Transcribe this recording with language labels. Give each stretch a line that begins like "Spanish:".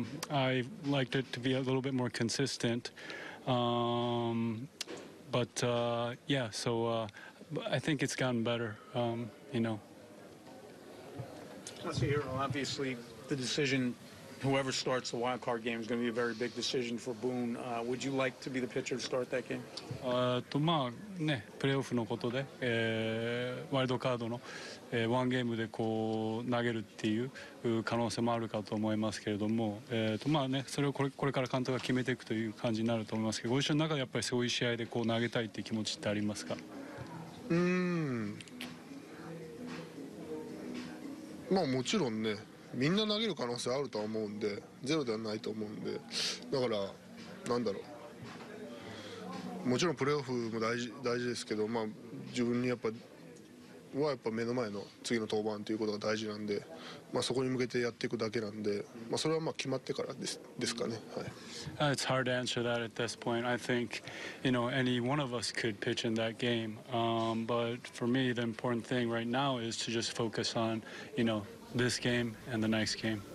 English: I liked it to be a little bit more consistent. I think it's gotten better, you know. Obviously, the decision, whoever starts the wild card game is going to be a very big decision for Boone. Would you like to be the pitcher to start that game?
Japanese: まあね、プレーオフのことで、ワイルドカードの、ワンゲームでこう投げるっていう可能性もあるかと思いますけれども、まあね、それをこれから監督が決めていくという感じになると思いますけど、ご一緒の中でやっぱりそういう試合でこう投げたいっていう気持ちってありますか？まあもちろんね、みんな投げる可能性あると思うんで、ゼロではないと思うんで、だから、なんだろう、もちろんプレーオフも大事ですけど、まあ、自分にやっぱはやっぱ目の前の次の登板ということが大事なんで、まあ、そこに向けてやっていくだけなんで、まあ、それはまあ決まってからですかね。はい。
English: It's hard to answer that at this point. I think, you know, any one of us could pitch in that game. But for me, the important thing right now is to just focus on, you know, this game and the next game.